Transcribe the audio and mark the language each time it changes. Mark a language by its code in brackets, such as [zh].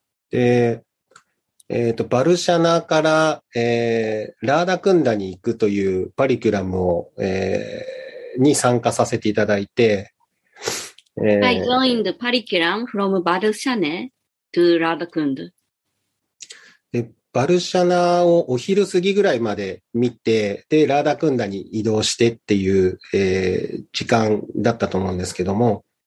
[ja] で、バルシャナから、ラーダクンダに行くというパリキュラムを、に参加させていただいて、 [en] I joined the curriculum from Barsana to Radhakund. [ja] で、バルシャナをお昼過ぎぐらいまで見て、で、ラーダクンダに移動してっていう、時間だったと思うんですけども。